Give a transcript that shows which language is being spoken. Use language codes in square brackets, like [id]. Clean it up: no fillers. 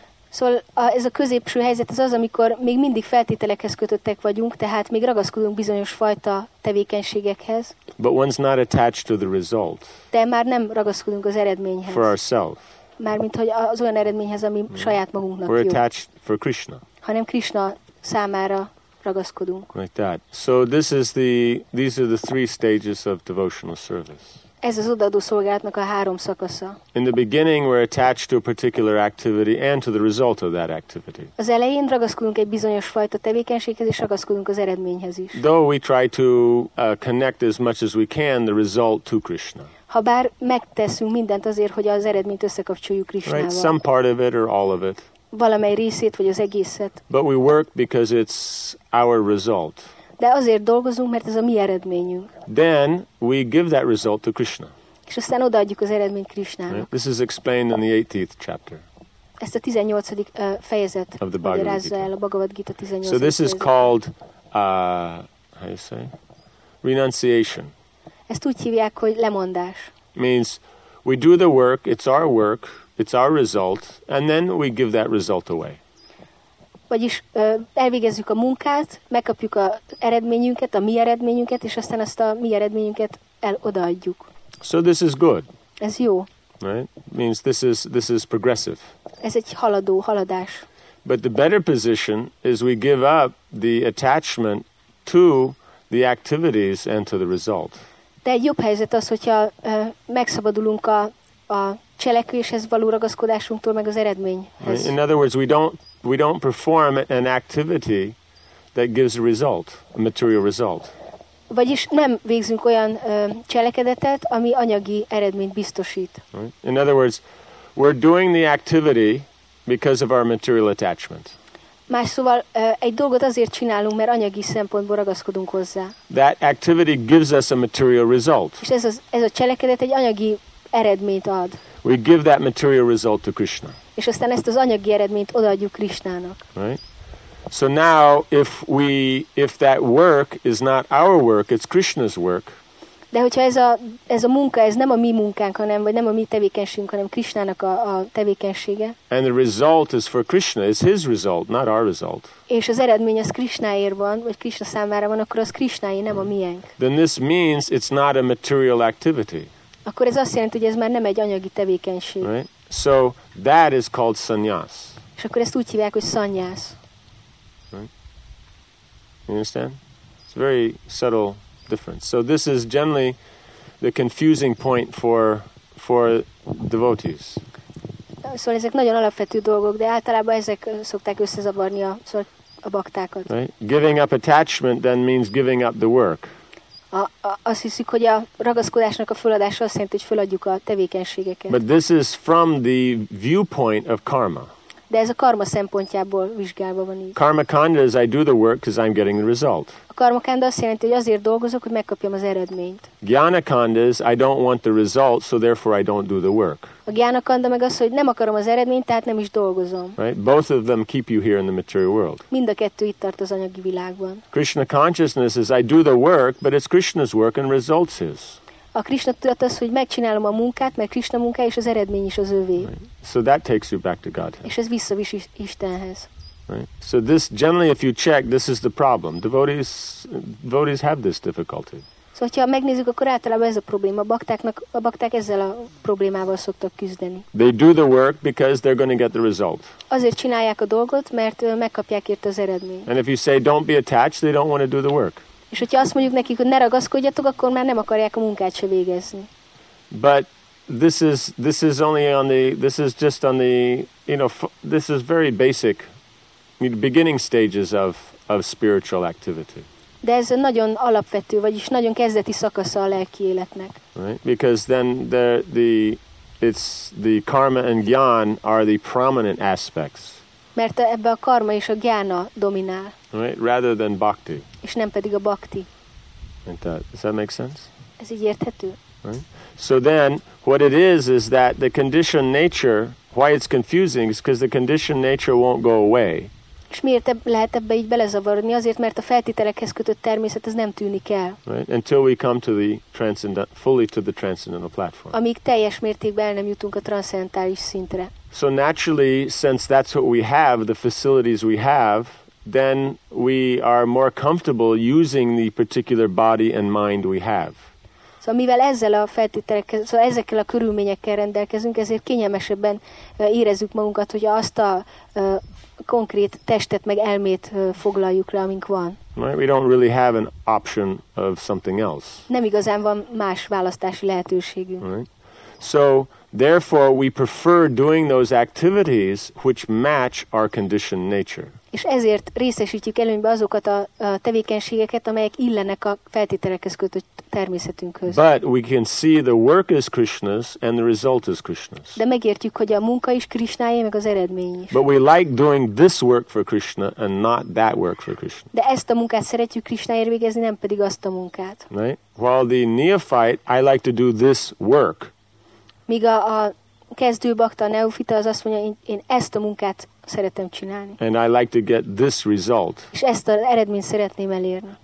[hu] Szóval ez a középső helyzet az, amikor még mindig feltételekhez kötöttek vagyunk, tehát még ragaszkodunk bizonyos fajta tevékenységekhez. [en] But one's not attached to the result. [hu] De már nem ragaszkodunk az eredményhez. [en] For ourselves. [hu] Mármint, hogy az olyan eredményhez, ami saját magunknak [en] We're [hu] jó. [en] Attached for Krishna. [hu] Hanem Krishna számára. [en] Like that. So this is these are the three stages of devotional service. [hu] Ez az odaadó szolgálatnak a három szakasza. [en] In the beginning we're attached to a particular activity and to the result of that activity. [hu] Az elején ragaszkodunk egy bizonyos fajta tevékenységhez és ragaszkodunk az eredményhez is. [en] Though we try to connect as much as we can the result to Krishna. [hu] Habár megteszünk mindent azért, hogy az eredményt összekapcsoljuk Krishnával. [en] Right, some part of it or all of it. [hu] Valamely részét vagy az egészet. [en] But we work because it's our result. [hu] De azért dolgozunk, mert ez a mi eredményünk. [en] Then we give that result to Krishna. [hu] És aztán odaadjuk az eredményt Krishnának. [en] Right? This is explained in the 18th chapter. [hu] Ezt a 18. fejezet magyarázza el a Bhagavad Gita 18. [en] So this is called how you say? Renunciation. [hu] Ezt úgy hívják, hogy lemondás. [en] Means we do the work, it's our work. It's our result, and then we give that result away. [hu] Vagyis elvégezzük a munkát, megkapjuk a eredményünket, a mi eredményünket, és aztán azt a mi eredményünket odaadjuk. [en] So this is good. [hu] Ez jó. [en] Right? Means this is progressive. [hu] Ez egy haladó haladás. [en] But the better position is we give up the attachment to the activities and to the result. [hu] De jobb helyzet az, hogyha megszabadulunk a cselekvéshez való ragaszkodásunktól meg az eredményhez. [en] In other words, we don't perform an activity that gives a result, a material result. [hu] Vagyis nem végzünk olyan cselekedetet, ami anyagi eredményt biztosít. [en] Right? In other words, we're doing the activity because of our material attachment. [hu] Más szóval egy dolgot azért csinálunk, mert anyagi szempontból ragaszkodunk hozzá. [en] That activity gives us a material result. [hu] És ez a cselekedet egy anyagi eredményt ad. [en] We give that material result to Krishna. [hu] És aztán ezt az anyagi eredményt odaadjuk Krishnának. [en] Right? So now if that work is not our work, it's Krishna's work. [hu] De hogyha ez a munka, ez nem a mi munkánk, hanem vagy nem a mi tevékenységünk, hanem Krishnának a tevékenysége. [en] And the result is for Krishna, it's his result, not our result. [hu] És az eredmény az Krishnáért van, vagy Krishna számára van, akkor az Krishnáé, nem a miénk. [en] Then this means it's not a material activity. [hu] Akkor ez azt jelenti, hogy ez már nem egy anyagi tevékenység. [en] Right? So that is called sannyas. [hu] És akkor ezt úgy hívják, hogy sannyas. [en] You understand? It's a very subtle difference. So this is generally the confusing point for devotees. [hu] Szóval ezek nagyon alapvető dolgok, de általában ezek szokták összezavarni a baktákat. [en] Right? Giving up attachment then means giving up the work. [hu] Azt hiszik, hogy a ragaszkodásnak a feladása azt jelenti, hogy feladjuk a tevékenységeket. [en] But this is from the viewpoint of karma. [hu] De ez a karma szempontjából vizsgálva van így. [en] Karmakanda is I do the work because I'm getting the result. [hu] A karmakanda azt jelenti, hogy azért dolgozok, hogy megkapjam az eredményt. [en] Gyanakanda is I don't want the result, so therefore I don't do the work. [hu] A gyanakanda meg az, hogy nem akarom az eredményt, tehát nem is dolgozom. [en] Right? Both of them keep you here in the material world. [hu] Mind a kettő itt tart az anyagi világban. [en] Krishna consciousness is I do the work, but it's Krishna's work and results his. [hu] A Krishna tudat az, hogy megcsinálom a munkát, mert Krishna munká és az eredmény is az övé. [en] Right. So that takes you back to Godhead. [hu] És ez visszavisz Istenhez. [en] Right. So this generally if you check, this is the problem. Devotees have this difficulty. [hu] Szóval, ha megnézzük, akkor általában ez a probléma. A bakták ezzel a problémával szoktak küzdeni. [en] They do the work because they're going to get the result. [hu] Azért csinálják a dolgot, mert megkapják érte az eredményt. [en] And if you say don't be attached, they don't want to do the work. [hu] És hogyha azt mondjuk nekik, hogy ne ragaszkodjatok, akkor már nem akarják a munkát se végezni. [en] But this is only on the, this is just on the, you know, this is very basic, beginning stages of spiritual activity. [hu] De ez nagyon alapvető, vagyis nagyon kezdeti szakasza a lelki életnek. [en] Right? Because then the karma and jnana are the prominent aspects. [hu] Mert ebbe a karma és a gyána dominál. [en] Right? Rather than bhakti. [hu] És nem pedig a bhakti. [en] Does that make sense? [hu] Ez így érthető. [en] Right? So then, what it is that the conditioned nature, why it's confusing, is because the conditioned nature won't go away. [hu] És miért lehet ebbe így belezavarodni? Azért, mert a feltételekhez kötött természet, ez nem tűnik el. [en] Right? Until we come to the transcendent, fully to the transcendental platform. [hu] Amíg teljes mértékben el nem jutunk a transzcendentális szintre. [en] So naturally, since that's what we have, the facilities we have, then we are more comfortable using the particular body and mind we have. [hu] So mivel ezzel a feltételekkel, szóval ezekkel a körülményekkel rendelkezünk, ezért kényelmesebben érezzük magunkat, hogy azt a konkrét testet meg elmét foglaljuk le, amink van. [en] Right? We don't really have an option of something else. [hu] Nem igazán van más választási lehetőségünk. [en] Right? So therefore we prefer doing those activities which match our conditioned nature. [hu] És ezért részesítjük előnybe azokat a tevékenységeket, amelyek illenek a feltételekhez kötött természetünkhöz. [en] But we can see the work is Krishna's and the result is Krishna's. [hu] De megértjük, hogy a munka is Krishnáé, meg az eredmény is. [en] But we like doing this work for Krishna and not that work for Krishna. [hu] De ezt a munkát szeretjük Krishnáért végezni, nem pedig azt a munkát. [en] Right? While the neophyte, I like to do this work. [hu] Míg a kezdő bakta, a neofita, az azt mondja, én ezt a munkát szeretem csinálni. [en] And I like to get this result. [hu] És ezt az eredményt szeretném elérni.